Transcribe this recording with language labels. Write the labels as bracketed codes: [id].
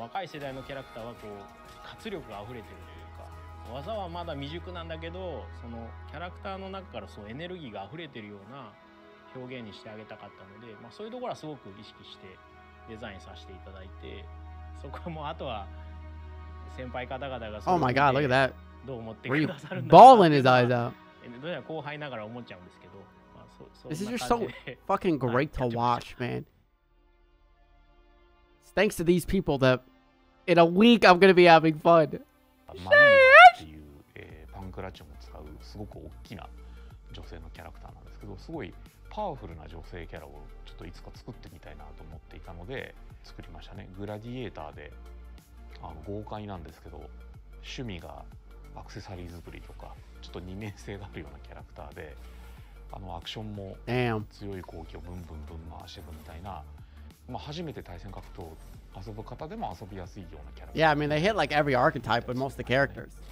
[ja] 若い世代のキャラクターはこう活力が溢れてるというか、技はまだ未熟なんだけど、そのキャラクターの中からそのエネルギーが溢れてるような表現にしてあげたかったので、まあ、そういうところはすごく意識してデザインさせていただいて、そこもあとは先輩方々が、 [en] Oh my god, look at that. [ja] どう思ってくださるんだろう。 [en] Balling his eyes out. [ja] どうやら後輩ながら思っちゃうんですけど、まあ、 [en] This is just so fucking great to watch, man. Thanks to these people that in a week I'm gonna be having fun. [ja] パンクラッチも使うすごく大きな女性のキャラクターなんですけど、すごいパワフルな女性キャラをちょっといつか作ってみたいなと思っていたので作りましたね。グラディエーターで、あの豪快なんですけど、趣味がアクセサリー作りとか、ちょっと二面性があるようなキャラクターで、あのアクションも強い攻撃をブンブンブン回してるみたいな、まあ、初めて対戦格闘を遊ぶ方でも遊びやすいようなキャラクター。 [en] Yeah, I mean they hit like every archetype with most of the characters.